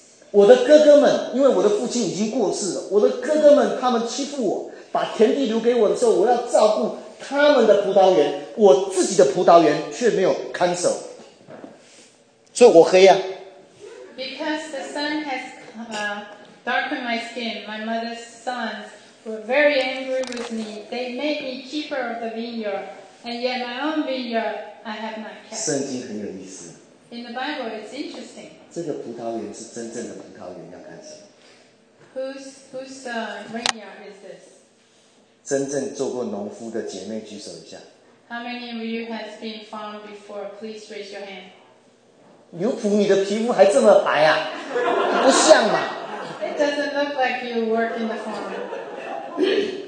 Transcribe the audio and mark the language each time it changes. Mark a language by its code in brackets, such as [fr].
[zh] 我的哥哥们，因为我的父亲已经过世了，我的哥哥们他们欺负我。把田地留给我的时候，我要照顾他们的葡萄园，我自己的葡萄园却没有看守，所以我黑啊。 [en] Because the sun has darkened my skin, my mother's sons were very angry with me. They made me keeper of the vineyard, and yet my own vineyard I have not kept. [zh] 圣经很有意思。 [en] In the Bible, it's interesting. [zh] 这个葡萄园是真正的葡萄园，要看守。 [en] Whose vineyard is this? [zh] 真正做过农夫的姐妹举手一下。 [en] How many of you have been farmed before? Please raise your hand. [zh] 牛仆，你的皮肤还这么白啊？不像嘛。 [en] It doesn't look like you work in the farm.